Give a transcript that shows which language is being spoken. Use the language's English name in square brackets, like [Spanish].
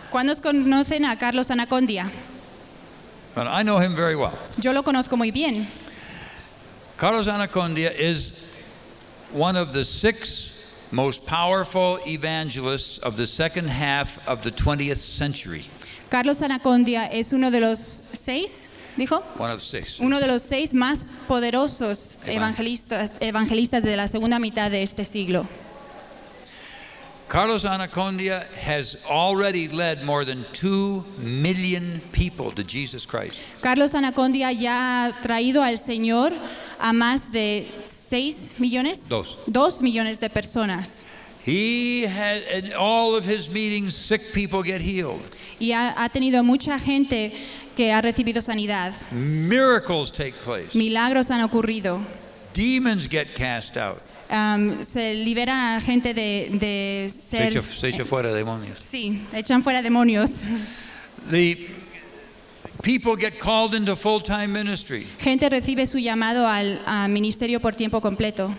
[Spanish] ¿Cuántos conocen a Carlos Anacondia? [English] Well, I know him very well. [Spanish] Yo lo conozco muy bien. [English] Carlos Anacondia is one of the six most powerful evangelists of the second half of the 20th century. [Spanish] Carlos Anacondia es uno de los seis, dijo? [English] One of six. [Spanish] Uno de los seis más poderosos evangelistas de la segunda mitad de este siglo. [English] Carlos Anacondia has already led more than 2 million people to Jesus Christ. [Spanish] Carlos Anacondia ya ha traído al Señor a más de 6 millones. Dos millones de personas. [English] He has, in all of his meetings, sick people get healed. [Spanish] Y ha tenido mucha gente que ha recibido sanidad. [English] Miracles take place. [Spanish] Milagros han ocurrido. [English] Demons get cast out. [Spanish] Se libera a gente de ser se echa fuera demonios. Sí, echan fuera demonios. [English] The people get called into full-time ministry. [Spanish] Gente recibe su llamado al ministerio por tiempo completo.